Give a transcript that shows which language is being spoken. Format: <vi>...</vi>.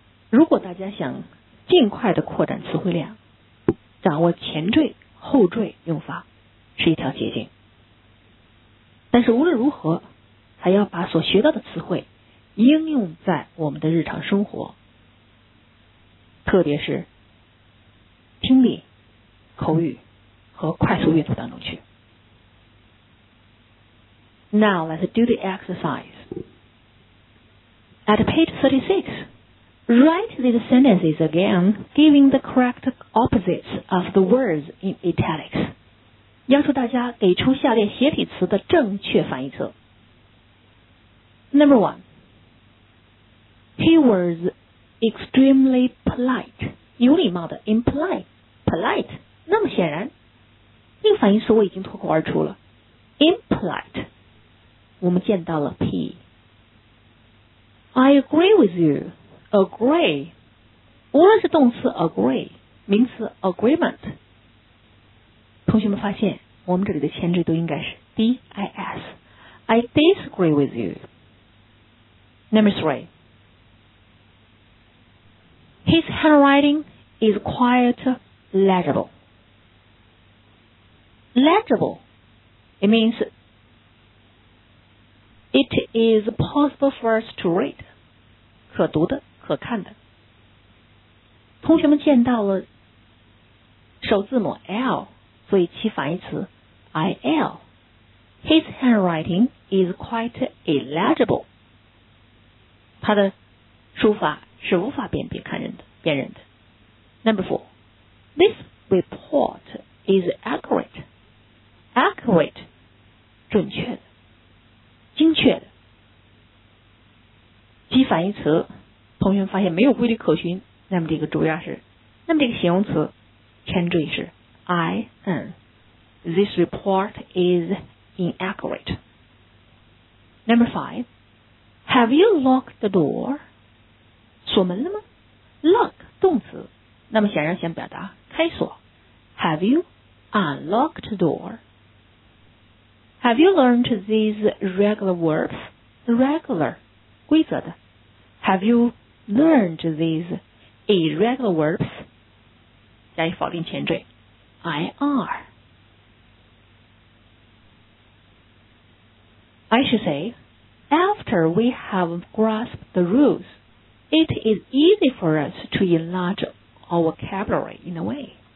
<zh>如果大家想尽快的扩展词汇量，掌握前缀后缀用法是一条捷径，但是无论如何还要把所学到的词汇应用在我们的日常生活，特别是听力口语和快速阅读当中去。</zh> <en>Now let's do the exercise. At page 36, write these sentences again, giving the correct opposites of the words in italics.</en> <zh>要求大家给出下列斜体词的正确反义词。</zh> <en>Number 1. He was extremely polite.</en> <zh>有礼貌的 impolite, polite. 那么显然那个反义词我已经脱口而出了 impolite 我们见到了 P</zh> <en>I agree with you agree</en> <zh>无论是动词 agree 名词 agreement 同学们发现我们这里的前缀都应该是</zh> <en>D-I-S I disagree with you Number 3 His handwriting is quite legible. It means it is possible for us to read.</en> <zh>可读的可看的。同学们见到了首字母 L, 所以其反义词 IL.</zh> <en>His handwriting is quite illegible.</en> <zh>他的书法是无法辨认的。</zh> <en>Number 4. This report is accurate</en> <zh>准确的精确的其反义词同学们发现没有规律可循那么这个主要是那么这个形容词前缀是</zh> <en>IN This report is inaccurate Number 5 Have you locked the door?</en> <zh>锁门了吗 Lock 动词那么显然想表达开锁</zh> <en>Have you unlocked the door? Have you learned these regular verbs? Regular,</en> <zh>规则的。</zh> <en>Have you learned these irregular verbs?</en> <zh>加以否定前缀。IR.</zh> <en>I should say, after we have grasped the rules, it is easy for us to enlarge our vocabulary in a way.</en>